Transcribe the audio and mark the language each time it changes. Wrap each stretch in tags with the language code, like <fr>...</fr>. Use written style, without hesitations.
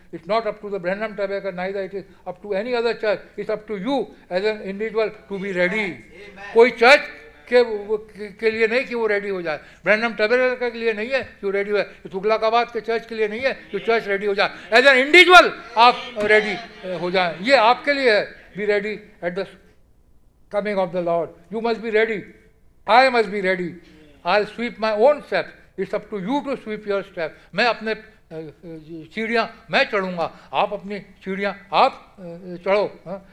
<en>It's not up to the Branham tribunal, neither it is up to any other church, it's up to you as an individual to be ready.</en> <hi>कोई church के लिए नहीं कि वो ready हो जाए, Branham tribunal के लिए नहीं है कि वो रेडी हो जाए, तुगलकाबाद के चर्च के लिए नहीं है कि चर्च रेडी हो जाए.</hi> <en>as an individual</en> <hi>आप रेडी हो जाए, ये आपके लिए है.</hi> <en>Be ready at the coming of the Lord. You must be ready. I must be ready. I'll sweep my own steps. It's up to you to sweep your steps.</en> <hi>मैं अपने सीढ़ियाँ मैं चढ़ूँगा, आप अपनी सीढ़ियाँ आप चढ़ो.</hi>